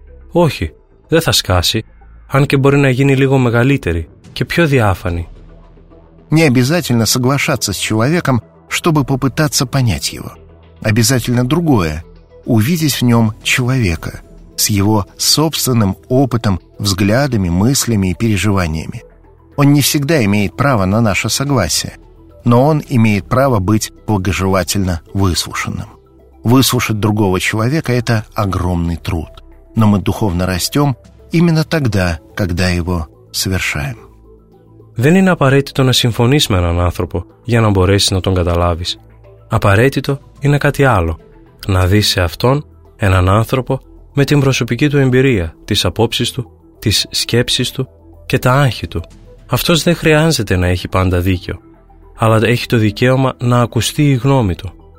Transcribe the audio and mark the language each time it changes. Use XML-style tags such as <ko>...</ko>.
<el>Όχι, δεν θα σκάσει, αν και μπορεί να γίνει λίγο μεγαλύτερη και πιο διάφανη.</el> <ru>Не обязательно соглашаться с человеком, чтобы попытаться понять его. Обязательно другое. Увидеть в нем человека с его собственным опытом, взглядами, мыслями и переживаниями. Он не всегда имеет право на наше согласие, но он имеет право быть благожелательно выслушанным. Выслушать другого человека – это огромный труд, но мы духовно растем именно тогда, когда его совершаем.</ru> <el>Δεν είναι απαραίτητο να συμφωνείς με έναν άνθρωπο για να μπορέσεις να τον καταλάβεις. Απαραίτητο είναι κάτι άλλο. Να δεις σε αυτόν έναν άνθρωπο με την προσωπική του εμπειρία, τις απόψεις του, τις σκέψεις του και τα άγχη του. Αυτός δεν χρειάζεται να έχει πάντα δίκιο, αλλά έχει το δικαίωμα να ακουστεί η γνώμη του.</el>